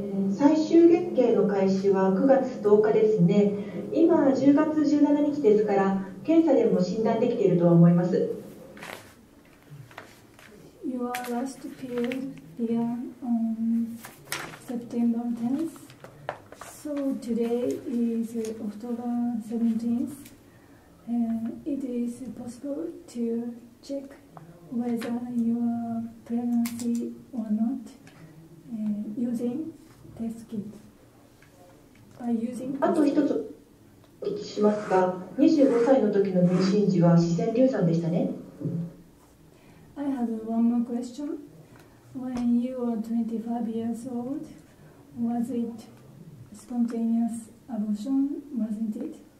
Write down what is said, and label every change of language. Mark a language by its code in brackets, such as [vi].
[ja] 最終月経の開始は9月10日ですね。今、10月17日ですから、検査でも診断できているとは思います。 [en] Your last period began on September 10th, so today is October 17th, and it is possible to check whether you are pregnant or not using test kit. By using [ja] あと一つお聞きしますが、25歳の時の妊娠時は自然流産でしたね。 [en] I have one more question. When you were 25 years old, was it spontaneous abortion, wasn't it?